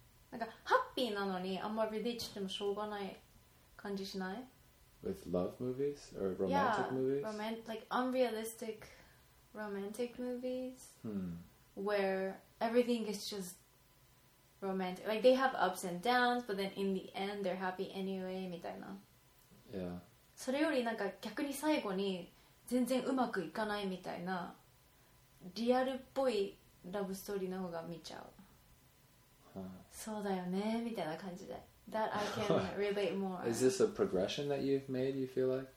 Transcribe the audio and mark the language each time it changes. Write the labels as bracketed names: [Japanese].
[Japanese] なんかハッピーなのにあんまり [English] relate [Japanese] してもしょうがない感じしない? [English] With love movies? Or romantic yeah, movies? Yeah, like unrealistic romantic movies. Hmm. Where everything is justromantic, like they have ups and downs, but then in the end they're happy anyway, [Japanese] みたいな。 [English] Yeah. [Japanese] それよりなんか逆に最後に全然うまくいかないみたいなリアルっぽいラブストーリーの方が見ちゃう。そうだよねみたいな感じで。 [English] That I can relate more. Is this a progression that you've made, you feel like?